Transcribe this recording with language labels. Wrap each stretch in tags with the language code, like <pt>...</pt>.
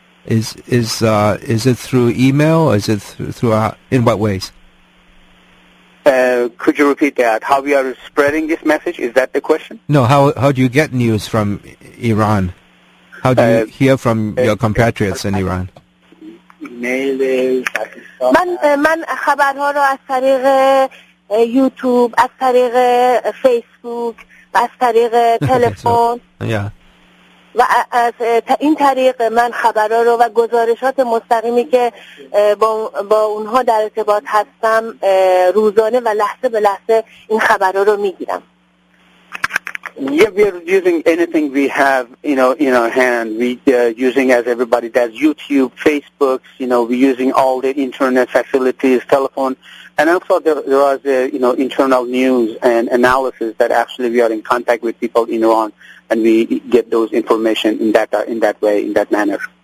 <en>Is it through email, or is it in what ways? Could you repeat that? How we are spreading this message? Is that the question? No, how do you get news from Iran? How do you hear from your compatriots in Iran? Email.</en> <fa>من خبرها رو از طریق یوتیوب، از طریق فیسبوک، از طریق تلفن.</fa> <en>Yeah.</en> <fa>و از این طریق من خبرها رو و گزارشات مستقیمی که با اونها در ارتباط هستم روزانه و لحظه به لحظه این خبرها رو میگیرم.</fa> <en>Yeah, we are using anything we have, in our hand. We using as everybody does YouTube, Facebook, we using all the internet facilities, telephone, and also there are the, internal news and analysis that actually we are in contact with people in Iran, and we get those information in that manner.</en>